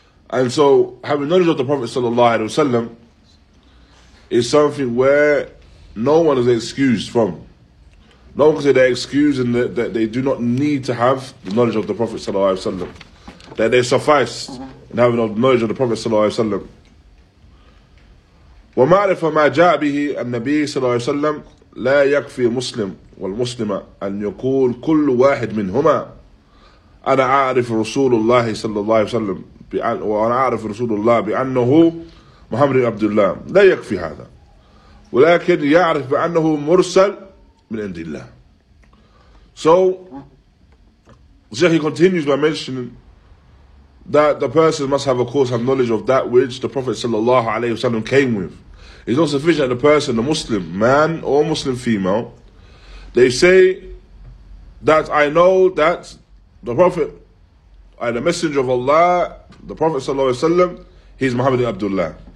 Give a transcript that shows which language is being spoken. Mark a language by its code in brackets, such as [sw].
[en] And so having knowledge of the Prophet sallallahu alaihi wasallam is something where no one is excused from. No one can say they're excused and that they do not need to have the knowledge of the Prophet sallallahu alaihi wasallam. That they suffice in having knowledge of the Prophet sallallahu alaihi wasallam. [ar] ومعرف ما جاء به النبي صلى الله عليه وسلم لا يكفي مسلم والمسلمة أن يقول كل واحد منهما أنا أعرف رسول الله صلى الله عليه وسلم وأنا أعرف رسول الله بأنه محمد بن عبد الله لا يكفي هذا ولكن يعرف بأنه مرسل من عند الله. [en] So he continues by mentioning that the person must have knowledge of that which the Prophet sallallahu alaihi wasallam came with. It's not sufficient that the person, the Muslim man or Muslim female, they say that I know that the Prophet, I am the messenger of Allah, the Prophet sallallahu alaihi wasallam, he's Muhammad ibn Abdullah.